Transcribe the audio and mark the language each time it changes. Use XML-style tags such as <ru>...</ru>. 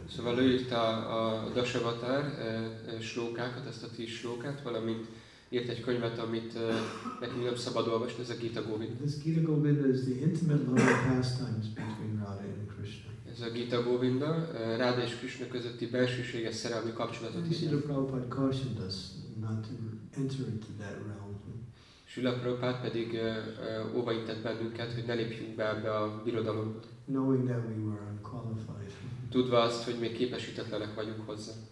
<hu>Szóval ő írta a Das Avatar slókákat, ezt a 10 slókát, valamint írt egy könyvet, amit nekünk nem szabad olvasni, ez a Gita Govinda.</hu> <en>This Gita Govinda is the intimate love pastimes between Radha and Krishna.</en> <hu>Ez a Gita Govinda, Ráda és Krishna közötti belsőséges szerelmi kapcsolatot írja.</hu> <en>Srila Prabhupada cautioned us not to enter into that realm.</en> <hu>Srila Prabhupada pedig óvaintett bennünket, hogy ne lépjünk be ebbe a birodalomba.</hu> <en>Knowing that we were unqualified. Tudva azt, hogy még képesítetlenek vagyunk hozzá.</en>